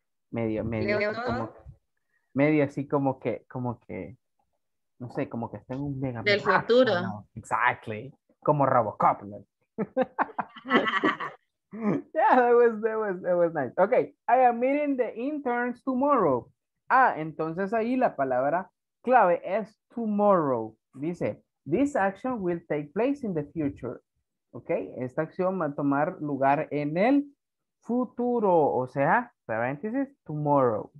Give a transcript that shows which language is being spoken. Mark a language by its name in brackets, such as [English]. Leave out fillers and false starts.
[Spanish] Medio como, medio así como que no sé, como que está en un mega del mega futuro. No, [English] exactly. [Spanish] Como Robocop. ¿No? [English] Yeah, that was nice. Okay, I am meeting the interns tomorrow. [Spanish] Ah, entonces ahí la palabra clave es tomorrow. [English] Dice, this action will take place in the future. [Spanish] Okay, esta acción va a tomar lugar en el futuro, o sea, paréntesis, tomorrow.